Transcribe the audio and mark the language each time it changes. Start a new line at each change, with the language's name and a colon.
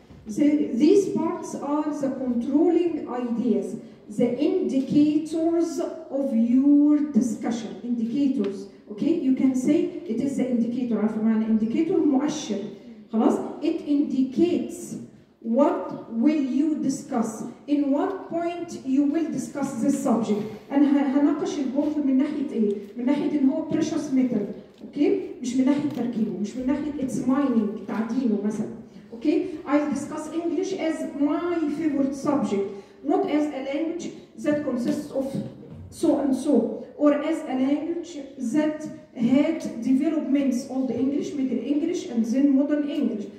English: These parts are the controlling ideas, the indicators of your discussion, indicators. Okay, you can say it is the indicator, an indicator, مؤشر. خلاص, it indicates what will you discuss, in what point you will discuss this subject.
Arabic: أنا هناقش البوث من ناحية إيه؟ من ناحية إن هو precious metal. Okay, مش من ناحية تركيبه, مش من ناحية it's mining, تعدينه مثلا.
English: Okay, I'll discuss English as my favorite subject, not as a language that consists of so and so, or as a language that had developments, old English, Middle English, and then Modern English.